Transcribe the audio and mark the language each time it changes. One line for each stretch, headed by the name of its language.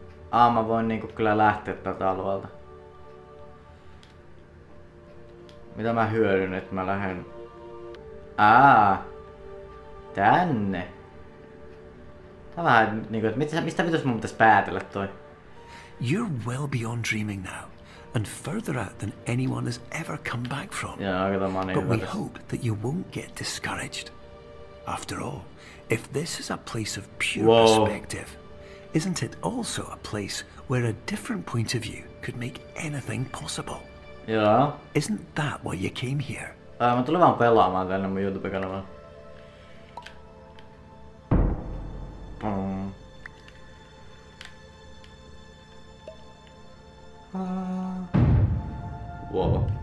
Finnish: Ah, mä voin niinku kyllä lähteä tältä alueelta. Mitä mä hyödyn, että mä lähden... Tänne! Tää vähän niinku, että mistä pitäis mun pitäis päätellä toi?
English: You're well beyond dreaming now, and further out than anyone has ever come back from. Yeah, okay, but we hope that you won't get discouraged. After all, if this is a place of pure perspective, isn't it also a place where a different point of view could make anything possible? Yeah. Isn't that why you came here?
Finnish: Mä tulin vaan pelaamaan tänne mun YouTube-kanavaan. Wow.